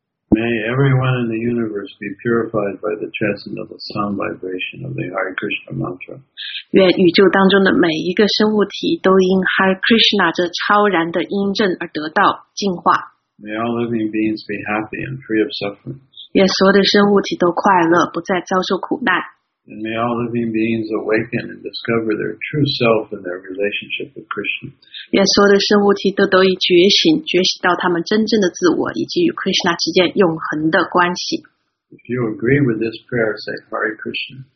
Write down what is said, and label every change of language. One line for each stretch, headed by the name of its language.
English: May everyone in the universe be purified by the chanting of the sound vibration of the Hare Krishna mantra.
Chinese: 愿宇宙当中的每一个生物体都因 Hare Krishna 这超然的音阵而得到净化。
English: May all living beings be happy and free of suffering.
Chinese: 愿所有的生物体都快乐，不再遭受苦难。
English: And may all living beings awaken and discover their true self and their relationship with Krishna.
Chinese: 愿所有的生物体都得以觉醒，觉醒到他们真正的自我以及与 Krishna 之间永恒的关系。
English: If you agree with this prayer, say Hare Krishna.